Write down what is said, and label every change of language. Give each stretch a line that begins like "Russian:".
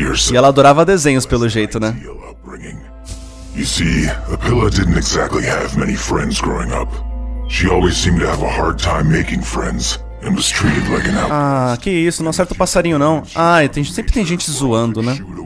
Portuguese: E ela adorava desenhos pelo jeito, né?
English: You see, Opaila didn't exactly have many friends growing up. She always seemed to have a hard time making friends and was treated like an outcast.
Portuguese: Ah, que isso, não acerta o passarinho não. Ah, sempre tem gente zoando, né?